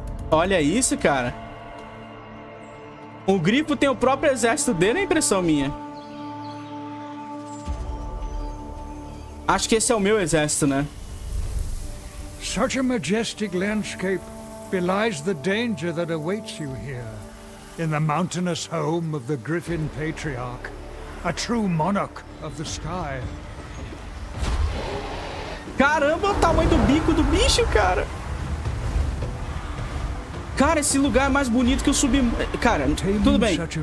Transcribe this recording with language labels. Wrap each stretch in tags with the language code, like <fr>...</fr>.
<pt>Olha isso, cara. O grifo tem o próprio exército dele, é impressão minha. Acho que esse é o meu exército, né?</pt> <en>Such a majestic landscape belies the danger that awaits you here, in the mountainous home of the Griffin Patriarch, a true monarch of the sky.</en> <pt>Caramba, o tamanho do bico do bicho, cara. Cara, esse lugar é mais bonito que o submundo. Cara, tudo bem.</pt>